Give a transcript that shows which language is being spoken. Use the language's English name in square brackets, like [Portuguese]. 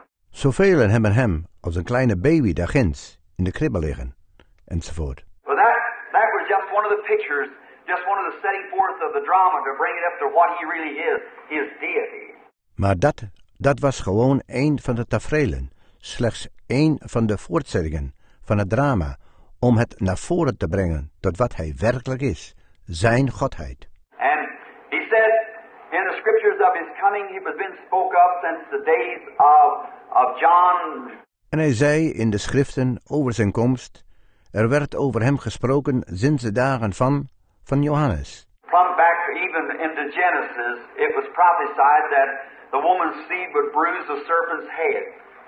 [Dutch] Zoveel hebben hem als een kleine baby daar ginds in de kribbe liggen, enzovoort. [English] Well, that was just one of the pictures, just one of the setting forth of the drama to bring it up to what he really is, his deity. [Dutch] Maar dat was gewoon een van de tafereelen. Slechts één van de voortzettingen van het drama om het naar voren te brengen tot wat hij werkelijk is, zijn godheid. [English] And he said in the scriptures of his coming he has been spoken of since the days of John. [Dutch] En hij zei in de schriften over zijn komst, er werd over hem gesproken sinds de dagen van Johannes. [English] From back even into Genesis it was prophesied that the woman's seed would bruise the serpent's head.